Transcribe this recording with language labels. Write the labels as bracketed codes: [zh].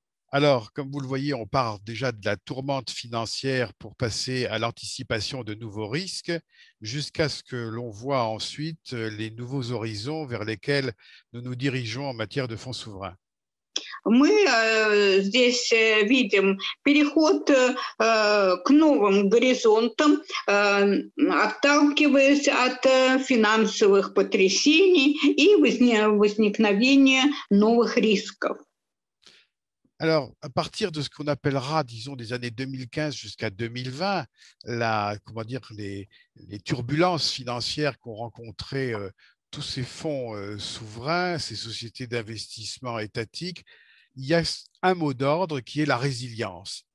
[fr] Alors, comme vous le voyez, on part déjà de la tourmente financière pour passer à l'anticipation de nouveaux risques, jusqu'à ce que l'on voit ensuite les nouveaux horizons vers lesquels nous nous dirigeons en matière de fonds souverains. [ru] Мы здесь видим переход к новым горизонтам, отталкиваясь от финансовых потрясений и возникновения новых рисков. [fr] Alors, à partir de ce qu'on appellera, disons, des années 2015 jusqu'à 2020, comment dire, les turbulences financières qu'ont rencontrées tous ces fonds souverains, ces sociétés d'investissement étatiques, il y a un mot d'ordre qui est la résilience.